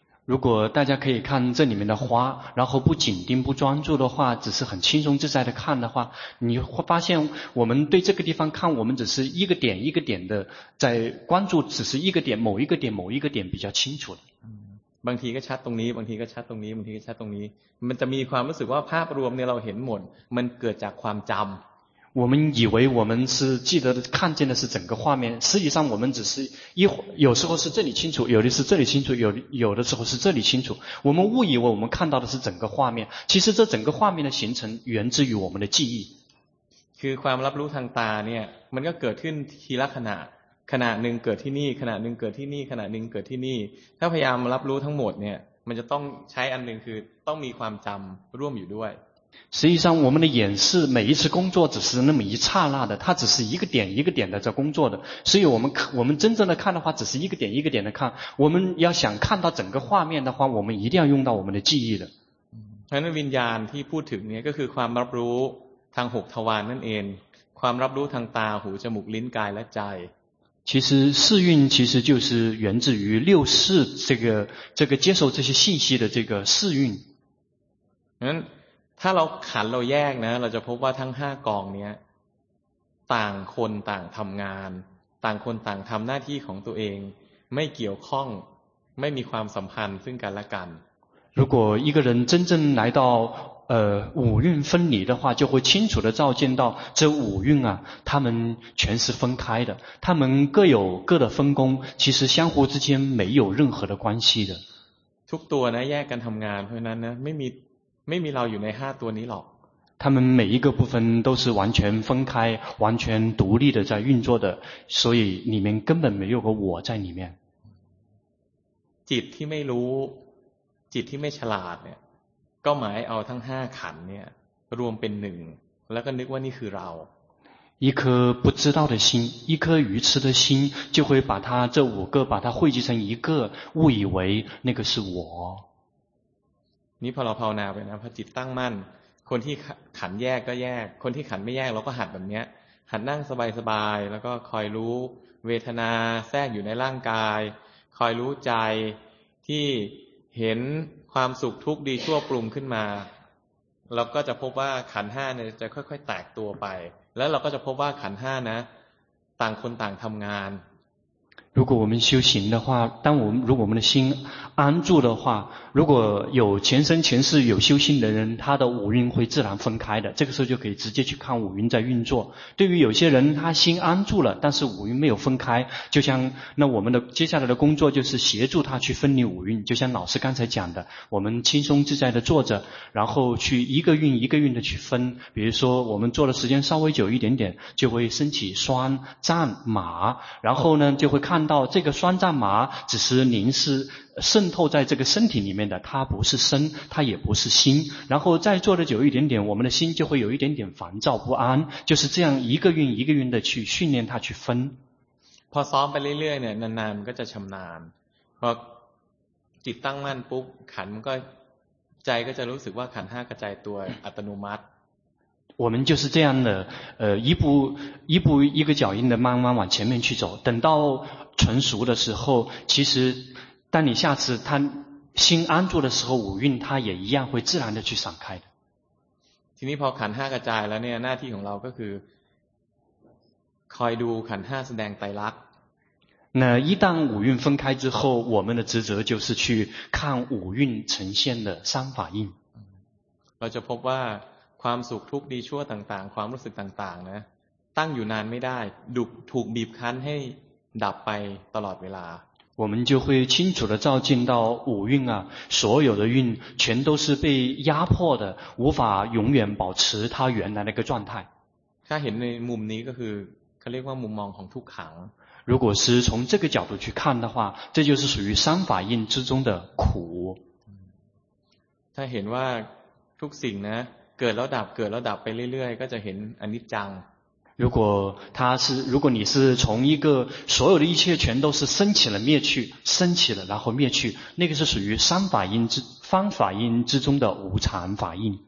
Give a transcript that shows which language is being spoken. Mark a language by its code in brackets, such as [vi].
[zh] 如果大家可以看这里面的花，然后不紧盯不专注的话，只是很轻松自在的看的话，你会发现我们对这个地方看，我们只是一个点一个点的在关注，只是一个点某一个点某一个点比较清楚的。 [th] บางทีก็ชัดตรงนี้บางทีก็ชัดตรงนี้บางทีก็ชัดตรงนี้มันจะมีความรู้สึกว่าภาพรวมเนี่ยเราเห็นหมดมันเกิดจากความจำ [zh] 我们以为我们是记得的看见的是整个画面，实际上我们只是一有时候是这里清楚，有的是这里清楚，有的时候是这里清楚。我们误以为我们看到的是整个画面，其实这整个画面的形成源自于我们的记忆。 [th] คือความรับรู้ทางตาเนี่ยมันก็เกิดขึ้นทีละขณะขณะหนึ่งเกิดที่นี่ขณะหนึ่งเกิดที่นี่ขณะหนึ่งเกิดที่นี่ถ้าพยายามรับรู้ทั้งหมดเนี่ยมันจะต้องใช้อันหนึ่งคือต้องมีความจำร่วมอยู่ด้วย [zh] 实际上我们的眼视每一次工作只是那么一刹那的，它只是一个点一个点的在工作的，所以我们真正的看的话只是一个点一个点的看，我们要想看到整个画面的话，我们一定要用到我们的记忆的。 [th] 那วิญญาณที่พูดถึงเนี่ยก็คือความรับรู้ทางหกทวารนั่นเองความรับรู้ทางตาหูจมูกลิ้นกายและใจ [zh] 其实视蕴其实就是源自于六识这个接受这些信息的这个视蕴 [th] ถ้าเราขันเราแยกนะเราจะพบว่าทั้ง5กองเนี้ยต่างคนต่างทำงานต่างคนต่างทำหน้าที่ของตัวเองไม่เกี่ยวข้องไม่มีความสัมพันธ์ซึ่งกันและกัน [zh] 如果一个人真正来到五蕴分离的话，就会清楚地照见到这五蕴啊，他们全是分开的，他们各有各的分工，其实相互之间没有任何的关系的。 [th] ทุกตัวนะแยกกันทำงานเพราะนั้นนะไม่มีเราอยู่ใน5ตัวนี้หรอก [zh] 他们每一个部分都是完全分开完全独立的在运作的所以里面根本没有个我在里面 [th] จิตที่ไม่รู้จิตที่ไม่ฉลาดเนี่ยก็หมายเอาทั้ง5ขันธ์เนี่ยรวมเป็นหนึ่งแล้วก็นึกว่านี่คือเรา [zh] 一颗不知道的心一颗愚痴的心就会把它这五个把它汇集成一个误以为那个是我 [th] นี่พอเราภาวนาไปนะพอจิตตั้งมั่นคนที่ขันแยกก็แยกคนที่ขันไม่แยกเราก็หัดแบบนี้หัดนั่งสบายๆแล้วก็คอยรู้เวทนาแทรกอยู่ในร่างกายคอยรู้ใจที่เห็นความสุขทุกข์ดีชั่วปรุงขึ้นมาเราก็จะพบว่าขันห้าเนี่ยจะค่อยๆแตกตัวไปแล้วเราก็จะพบว่าขันห้านะต่างคนต่างทำงาน [zh] 如果我们修行的话，当我们如果我们的心安住的话，如果有前生前世有修行的人，他的五蕴会自然分开的。这个时候就可以直接去看五蕴在运作。对于有些人，他心安住了，但是五蕴没有分开，就像那我们的接下来的工作就是协助他去分离五蕴。就像老师刚才讲的，我们轻松自在的坐着，然后去一个蕴一个蕴的去分。比如说我们坐的时间稍微久一点点，就会升起酸胀麻，然后呢就会看到这个酸胀麻只是临时渗透在这个身体里面的它不是身它也不是心然后再坐的久一点点我们的心就会有一点点烦躁不安就是这样一个运一个运的去训练它去分 [th] พอซ้อมไปเรื่อยๆเนี่ยนานๆมันก็จะชำนาญพอจิตตั้งมั่นปุ๊บขันมันก็ใจก็จะรู้สึกว่าขันห้ากระจายตัวอัตโนมัติ [zh] 我们就是这样的一步一步一个脚印的慢慢往前面去走等到纯熟的时候其实当你下次他心安住的时候五蕴他也一样会自然的去散开的 [th] ทีนี้พอขันห้ากระจายแล้วเนี่ยหน้าที่ของเราก็คือคอยดูขันห้าแสดงไตรลักษณ์ [zh] 那一旦五蕴分开之后我们的职责就是去看五蕴呈现的三法印 [th] เราจะพบว่าความสุขทุกข์ดีชั่วต่างๆความรู้สึกต่างๆนะตั้งอยู่นานไม่ได้ถูกบีบคั้นให้ดับไปตลอดเวลา [zh] 我们就会清楚地照见到五蕴啊所有的蕴全都是被压迫的无法永远保持它原来那个状态 [th] ถ้าเห็นในมุมนี้ก็คือเขาเรียกว่ามุมมองของทุกขัง [zh] 如果是从这个角度去看的话这就是属于三法印之中的苦 [th] ถ้าเห็นว่าทุกสิ่งนะ กิดแล้วดับเกิดแล้วดับไปเรื่อยๆก็จะเห็นอนิจจัง [zh] 如果他是，如果你是从一个所有的一切全都是升起了灭去，升起了然后灭去，那个是属于三法印之方法印之中的无常法印。